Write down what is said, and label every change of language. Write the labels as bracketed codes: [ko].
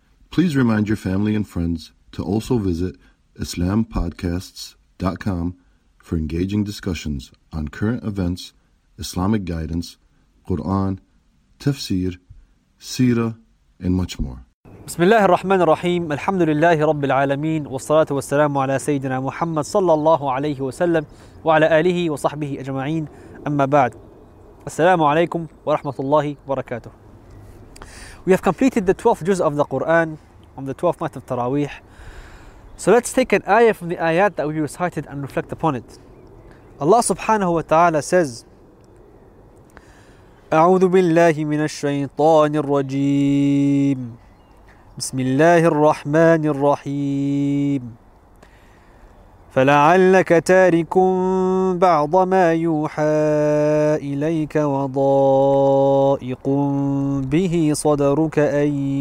[en] Please remind your family and friends to also visit IslamPodcasts.com for engaging discussions on current events, Islamic guidance, Quran, tafsir, seerah, and much more. [ar] بسم الله الرحمن الرحيم الحمد لله رب العالمين والصلاة والسلام على سيدنا محمد صلى الله عليه وسلم وعلى آله وصحبه أجمعين أما بعد السلام عليكم ورحمة الله وبركاته. [en] We have completed the 12th juz of the Quran on the 12th night of Taraweeh. So let's take an ayah from the ayat that we recited and reflect upon it. [ar] Allah سبحانه وتعالى says, أعوذ بالله من الشيطان الرجيم بسم الله الرحمن الرحيم فلعلك تارك بعض ما يوحى إليك وضائق به صدرك أن